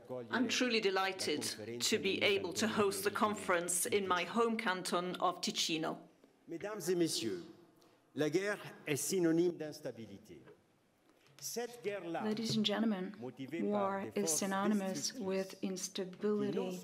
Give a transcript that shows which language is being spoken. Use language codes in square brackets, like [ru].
[en] I'm truly delighted to be able to host the conference in my home canton of Ticino. [fr] Mesdames et messieurs, la guerre est synonyme d'instabilité. [en] Ladies and gentlemen, war is synonymous with instability.